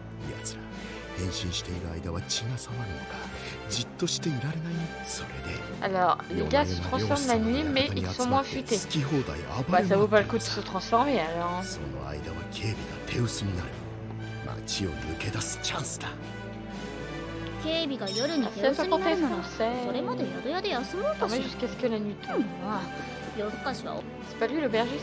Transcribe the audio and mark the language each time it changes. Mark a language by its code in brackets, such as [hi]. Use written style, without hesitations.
[ja] やつら変身している間は血が騒ぐのか、じっとしていられない。それで [fr] Alors, les gars se transforment la nuit, mais ils sont moins futés. Bah, ça vaut pas le coup de se transformer alors. [ja] その間は警備が手薄になる。街を抜け出すチャンスだ。警備が夜に手薄になるなら、それまで宿屋で休もうと [fr] し。Jusqu'à ce que la nuit tombe. 夜 [ja] 更かしは。 [fr] C'est pas lui le bergiste?